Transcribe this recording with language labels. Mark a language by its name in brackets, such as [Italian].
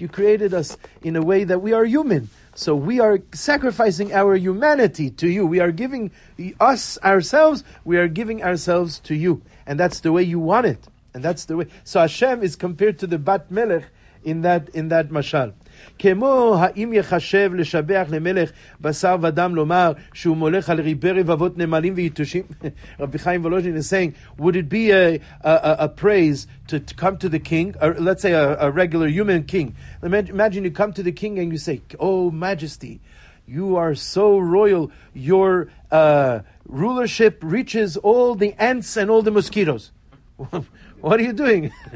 [English] You created us in a way that we are human. So we are sacrificing our humanity to you. We are giving us ourselves. We are giving ourselves to you. And that's the way you want it. And that's the way. So Hashem is compared to the Bat Melech in that mashal. [Hebrew] כמו האם יחשב לשבח למלך בשר ודם לומר שהוא מולך על ריבי רבבות נמלים ויתושים? [English] רבי חיים וולוז'ין is saying, would it be a praise to come to the king, or let's say a regular human king? Imagine you come to the king and you say, oh majesty, you are so royal, your rulership reaches all the ants and all the mosquitoes. What are you doing?